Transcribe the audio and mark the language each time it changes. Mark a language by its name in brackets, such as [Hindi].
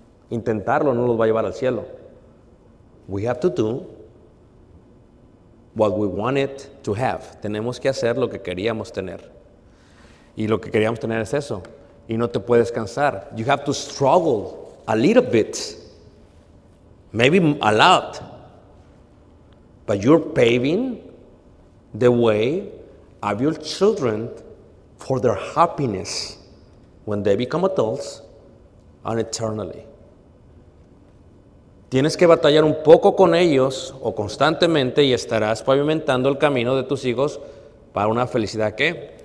[Spanish] Intentarlo no los va a llevar al cielo. [English] We have to do what we wanted to have. [Spanish] Tenemos que hacer lo que queríamos tener. Y lo que queríamos tener es eso. Y no te puedes cansar. [English] You have to struggle a little bit. Maybe a lot. But you're paving the way of your children for their happiness when they become adults and eternally. [Spanish] Tienes que batallar un poco con ellos o constantemente y estarás pavimentando el camino de tus hijos para una felicidad ¿qué?